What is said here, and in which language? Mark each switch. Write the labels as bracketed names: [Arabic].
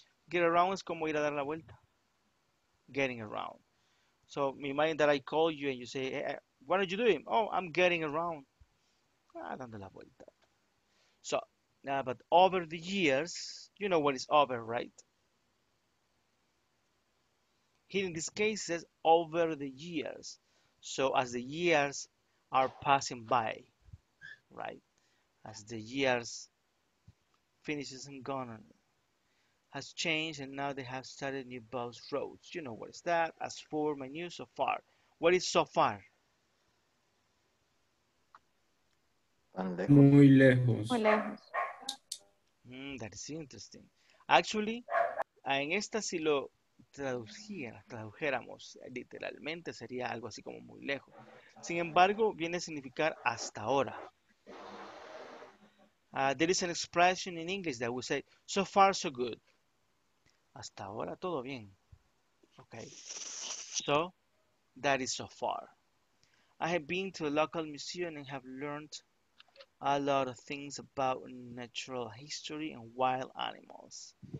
[Spanish] Get around es como ir a dar la vuelta. [English] Getting around. So imagine that I call you and you say, hey, what are you doing? Oh, I'm getting around. [Spanish] Ah, dando la vuelta. [English] So, but over the years, you know what is over, right? Here in this case says over the years. So as the years are passing by, right? As the years finishes and gone, has changed, and now they have started new bus roads. You know what is that? As for my new so far. What is so far? [Spanish] Muy lejos. Muy lejos. [English] That is interesting. [Spanish] Actually, en esta si lo tradujéramos literalmente sería algo así como muy lejos. Sin embargo, viene a significar hasta ahora. [English] There is an expression in English that we say, so far so good. [Spanish] Hasta ahora todo bien. [English] Okay. So, that is so far. I have been to a local museum and have learned a lot of things about natural history and wild animals.